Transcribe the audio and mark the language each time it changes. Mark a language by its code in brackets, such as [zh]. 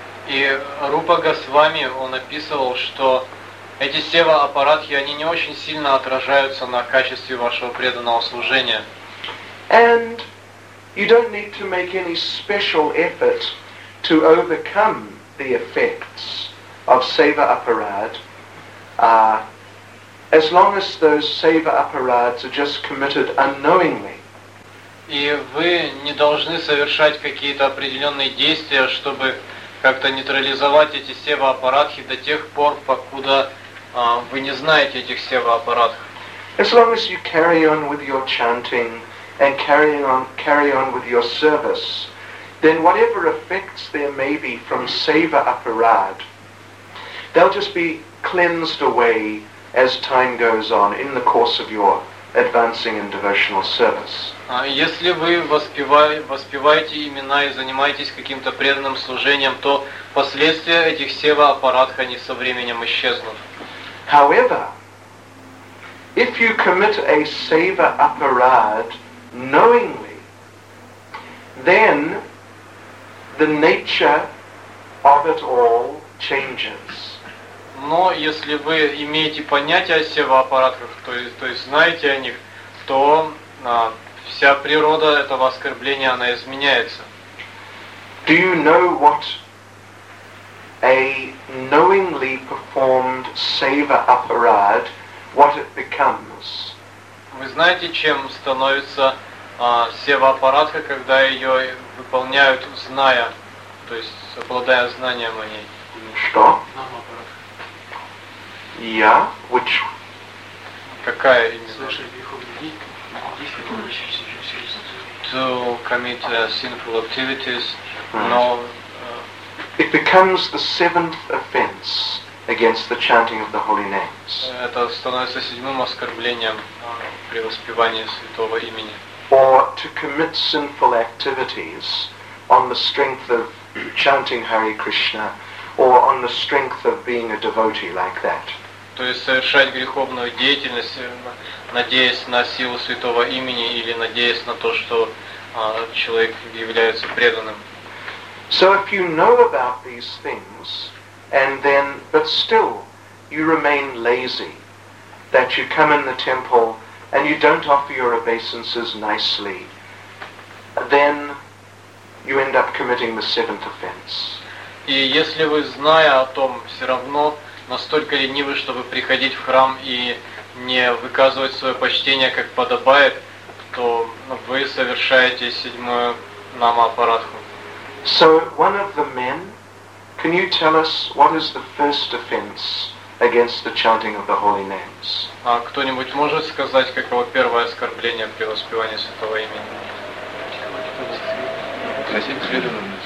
[ru] И Рупа Госвами, он описывал, что эти сева аппаратхи, они не очень сильно отражаются на качестве вашего преданного служения. [en] And you don't need to make any special effort to overcome the effects of seva aparad, as long as those seva aparads are just committed unknowingly. [ru] И вы не должны совершать какие-то определенные действия, чтобы как-то нейтрализовать эти сева аппаратхи до тех пор, покуда вы не знаете этих сева аппаратх. [en] As long as you carry on with your chanting and carry on with your service, then whatever effects there may be from seva aparad, they'll just be cleansed away as time goes on in the course of your advancing in devotional service. [ru] Если вы воспеваете имена и занимаетесь каким-то преданным служением, то последствия этих сева аппаратх они со временем исчезнут. [en] However, if you commit a seva aparad knowingly, then the nature of it all changes. [ru] Но если вы имеете понятие о сева-аппаратах, то есть знаете о них, то вся природа этого оскорбления, она изменяется. [en] Do you know what a knowingly performed сева-аппарат, what it becomes? [ru] Вы знаете, чем становится сева-аппаратка, когда ее выполняют, зная, то есть обладая знанием о ней? Что? [en] Я? Which? [ru] Какая? [en] To commit sinful activities. Right. No. It becomes the seventh offense against the chanting of the holy names. [ru] Это становится седьмым оскорблением при воспевании святого имени. [en] Or to commit sinful activities on the strength of chanting Hare Krishna or on the strength of being a devotee like that. [ru] То есть совершать греховную деятельность, надеясь на силу святого имени или надеясь на то, что человек является преданным. [en] So if you know about these things, and then, but still, you remain lazy, that you come in the temple and you don't offer your obeisances nicely, then you end up committing the seventh offense. [ru] И если вы, зная о том, все равно настолько ленивы, чтобы приходить в храм и не выказывать свое почтение, как подобает, то вы совершаете седьмую намо-аппаратху. [en] So, one of the men, can you tell us what is the first offense against the chanting of the holy names? [ru] А кто-нибудь может сказать, каково первое оскорбление при воспевании святого имени?